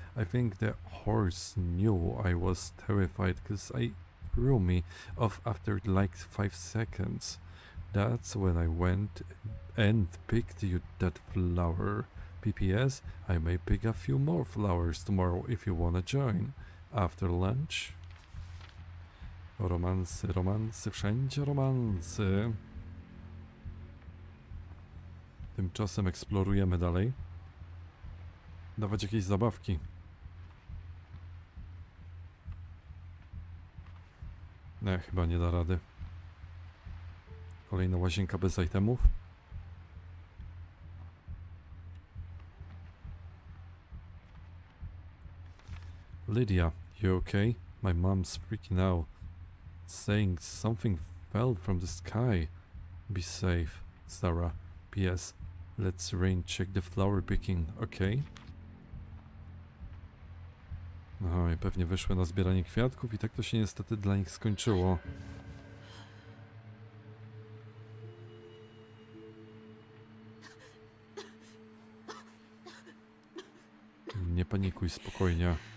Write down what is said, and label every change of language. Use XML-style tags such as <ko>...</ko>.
<en>I think the horse knew I was terrified because I threw me off after like 5 seconds. That's when I went and picked you that flower. P.P.S. I may pick a few more flowers tomorrow if you wanna join. After lunch.</en> <pl>Romansy, romansy, wszędzie romansy. Tymczasem eksplorujemy dalej. Dawać jakieś zabawki. Nie, chyba nie da rady. Kolejna łazienka bez itemów.</pl> <en>Lydia, you okay? My mom's freaking out. Saying something fell from the sky. Be safe, Sarah. P.S. Let's rain check the flower picking, okay?</en> <pl>No i pewnie wyszły na zbieranie kwiatków i tak to się niestety dla nich skończyło. Nie panikuj, spokojnie.</pl>